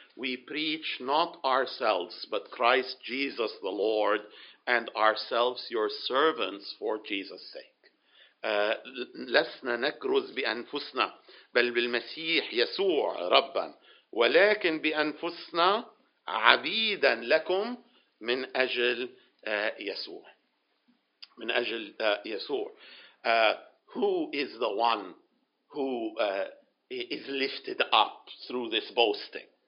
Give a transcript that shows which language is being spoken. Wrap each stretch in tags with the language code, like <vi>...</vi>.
<en>We preach not ourselves but Christ Jesus the Lord and ourselves your servants for Jesus' sake.</en> <ar>لسنا نكرز بأنفسنا بل بالمسيح يسوع ربا ولكن بأنفسنا عبيدا لكم من أجل يسوع من أجل يسوع.</ar> <en>Who is the one who is lifted up through this boasting?</en>